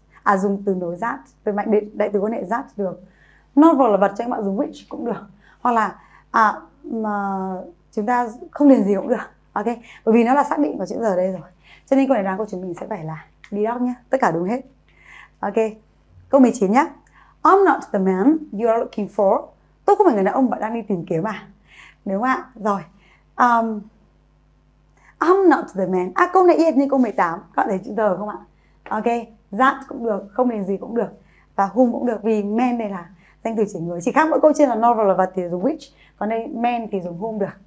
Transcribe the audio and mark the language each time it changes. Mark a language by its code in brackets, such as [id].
[vi] À, dùng từ nối that, từ mạnh định, đại từ quan hệ that được. Novel là vật, cho các bạn dùng which cũng được. Hoặc là mà chúng ta không điền gì cũng được. Ok, bởi vì nó là xác định của chữ giờ đây rồi. Cho nên câu này đáng của chúng mình sẽ phải là đi đọc nhé, tất cả đúng hết. Ok, câu 19 nhé. [en] I'm not the man you are looking for. [vi] Tôi không phải người đàn ông bạn đang đi tìm kiếm à? Đúng không ạ? Rồi, [en] I'm not the man. [vi] À, câu này yên như câu 18. Các bạn thấy chữ giờ không ạ? Ok, that cũng được, không điền gì cũng được. Và whom cũng được, vì man đây là danh từ chỉ người. Chỉ khác mỗi câu trên là novel là vật thì dùng which, còn đây man thì dùng whom được.